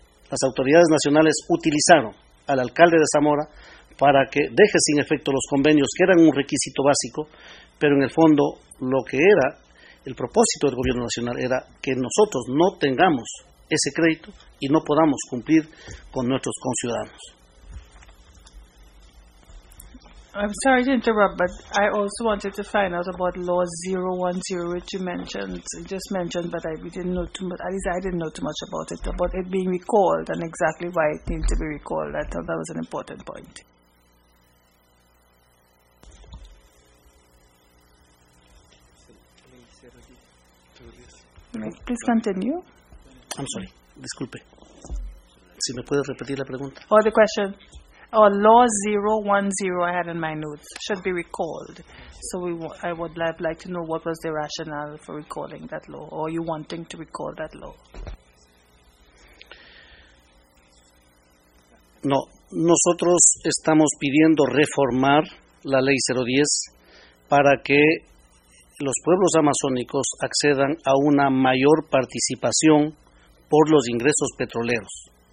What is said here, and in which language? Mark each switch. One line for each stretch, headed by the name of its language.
Spanish: Las autoridades nacionales utilizaron al alcalde de Zamora para que deje sin efecto los convenios, que eran un requisito básico, pero en el fondo lo que era el propósito del gobierno nacional era que nosotros no tengamos ese crédito y no podamos cumplir con nuestros conciudadanos.
English: I'm sorry to interrupt, but I also wanted to find out about Law 010, which you mentioned. You just mentioned, but I didn't know too much about it, about it being recalled and exactly why it needed to be recalled. I thought that was an important point. Please continue. I'm sorry.
Spanish: Disculpe. Si me puedes repetir la pregunta.
English: Or the question. Law 010, I had in my notes, should be recalled. So I would like to know what was the rationale for recalling that law, or you wanting to recall that law?
Spanish: No, nosotros estamos pidiendo reformar la ley 010 para que los pueblos amazónicos accedan a una mayor participación por los ingresos petroleros.